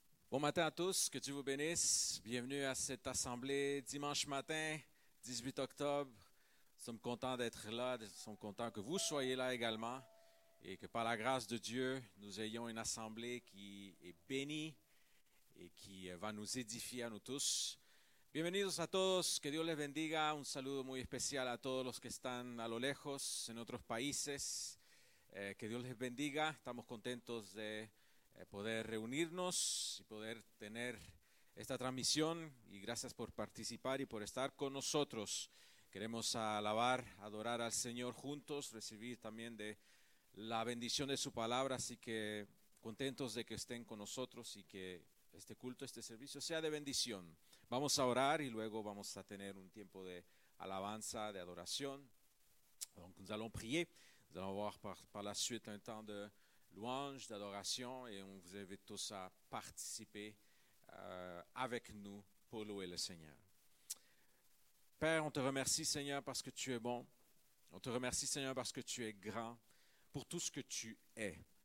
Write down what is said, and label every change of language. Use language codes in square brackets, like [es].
[fr] Bon matin à tous, que Dieu vous bénisse. Bienvenue à cette assemblée dimanche matin, 18 octobre. Nous sommes contents d'être là, nous sommes contents que vous soyez là également et que par la grâce de Dieu, nous ayons une assemblée qui est bénie et qui va nous édifier à nous tous. [es] Bienvenidos a todos, que Dios les bendiga. Un saludo muy especial a todos los que están a lo lejos en otros países. Que Dios les bendiga. Estamos contentos de poder reunirnos y poder tener esta transmisión y gracias por participar y por estar con nosotros. Queremos alabar, adorar al Señor juntos, recibir también de la bendición de su palabra, así que contentos de que estén con nosotros y que este culto, este servicio sea de bendición. Vamos a orar y luego vamos a tener un tiempo de alabanza, de adoración. [fr] Donc nous allons prier, nous allons avoir par la suite un temps de louange, d'adoration, et on vous invite tous à participer avec nous pour louer le Seigneur. Père, on te remercie, Seigneur, parce que tu es bon. On te remercie, Seigneur, parce que tu es grand pour tout ce que tu es.